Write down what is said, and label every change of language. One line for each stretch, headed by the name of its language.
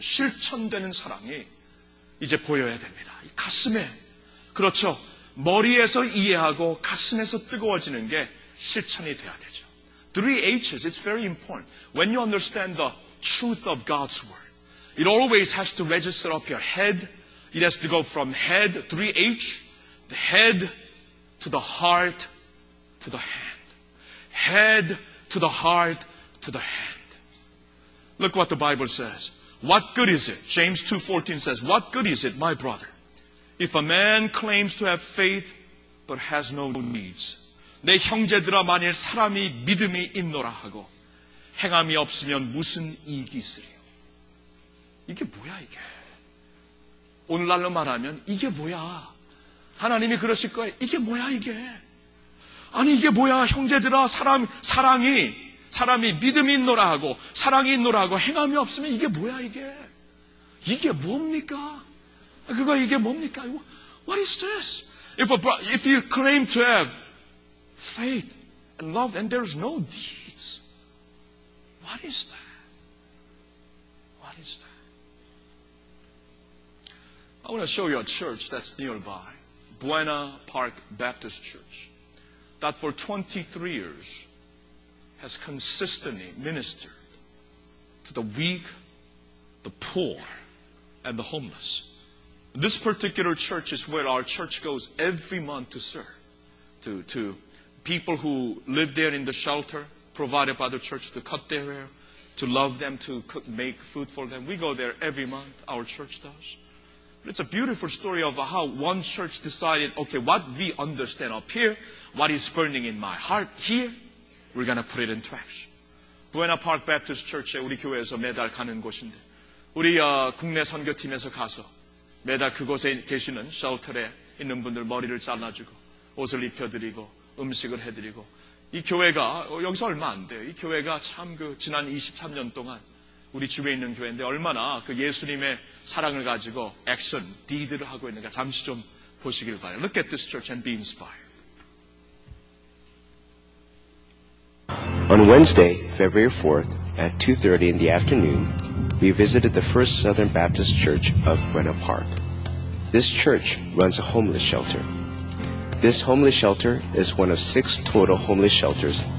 Korean: 실천되는 사랑이 이제 보여야 됩니다. 이 가슴에, 그렇죠. 머리에서 이해하고 가슴에서 뜨거워지는 게 실천이 돼야 되죠.
English: Three H's, it's very important. When you understand the truth of God's word, it always has to register up your head. It has to go from head, three H, the head to the heart to the hand. Head to the heart, to the hand. Look what the Bible says. What good is it? James 2:14 says, what good is it, my brother, if a man claims to have faith but has no deeds?
Korean: 내 형제들아, 만일 사람이 믿음이 있노라 하고 행함이 없으면 무슨 이익이 있으리요? 이게 뭐야, 이게? 오늘날로 말하면 이게 뭐야? 하나님이 그러실 거예요. 이게 뭐야, 이게? 아니, 이게 뭐야, 형제들아, 사람이 믿음이 있노라 하고, 사랑이 있노라 하고, 행함이 없으면 이게 뭐야, 이게? 이게 뭡니까? 그거 이게 뭡니까?
English: What is this? If you claim to have faith and love and there's no deeds, what is that? What is that? I want to show you a church that's nearby, Buena Park Baptist Church, that for 23 years has consistently ministered to the weak, the poor, and the homeless. This particular church is where our church goes every month to serve, to people who live there in the shelter provided by the church, to cut their hair, to love them, to cook, make food for them. We go there every month, our church does. It's a beautiful story of how one church decided, okay, what we understand up here, what is burning in my heart here, we're going to put it into action.
Korean: Buena Park Baptist Church에 우리 교회에서 매달 가는 곳인데, 우리 국내 선교팀에서 가서 매달 그곳에 계시는 shelter에 있는 분들 머리를 잘라주고 옷을 입혀드리고 음식을 해드리고, 이 교회가 여기서 얼마 안 돼요. 이 교회가 참 그 지난 23년 동안 우리 주변에 있는 교회인데 얼마나 그 예수님의 사랑을 가지고 액션, 디드를 하고 있는가 잠시 좀 보시길 바라요.
English: Look at this church and be inspired. On Wednesday, February 4th at 2:30 in the afternoon, we visited the First Southern Baptist Church of Buena Park. This church runs a homeless shelter. This homeless shelter is one of six total homeless shelters